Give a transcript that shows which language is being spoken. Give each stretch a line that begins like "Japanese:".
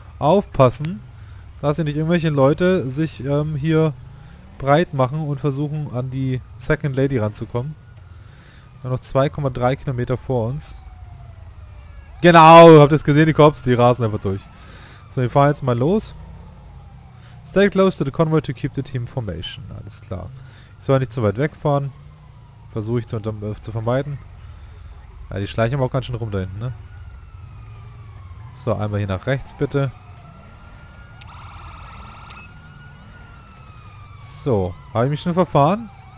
German: Aufpassen, dass hier nicht irgendwelche Leute sich hier breit machen und versuchen, an die Second Lady ranzukommen. Wir haben noch 2,3 Kilometer vor uns. Genau, habt ihr es gesehen? Die Cops, die rasen einfach durch. So, wir fahren jetzt mal los.
English: Stay close to the convoy to keep the team formation.
German: Alles klar. Ich soll nicht zu weit wegfahren. Versuche ich zu vermeiden. Ja, die schleichen aber auch ganz schön rum da hinten, ne? So, einmal hier nach rechts, bitte. So, habe ich mich schon verfahren?